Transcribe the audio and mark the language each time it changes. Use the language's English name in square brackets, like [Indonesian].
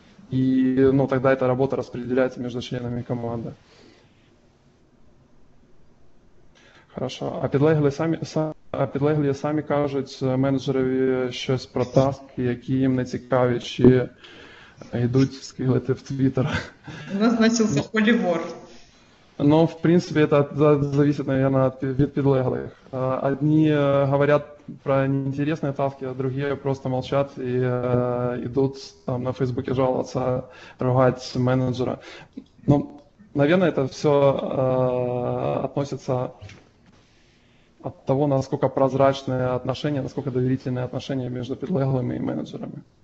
[Russian] И, ну, тогда эта работа распределяется между членами команды. Хорошо. [Ukrainian] А підлеглі самі кажуть менеджерові щось про таски, які їм не цікаві, чи йдуть скилити в Твіттер. Назначився холівор. Ну, в принципі, це залежить, мабуть, від підлеглих. [Russian] Одні говорять про неинтересные тавки, а другие просто молчат и идут там на Фейсбуке жаловаться, ругать менеджера. Ну, наверное, это все относится от того, насколько прозрачные отношения, насколько доверительные отношения между подлеглыми и менеджерами.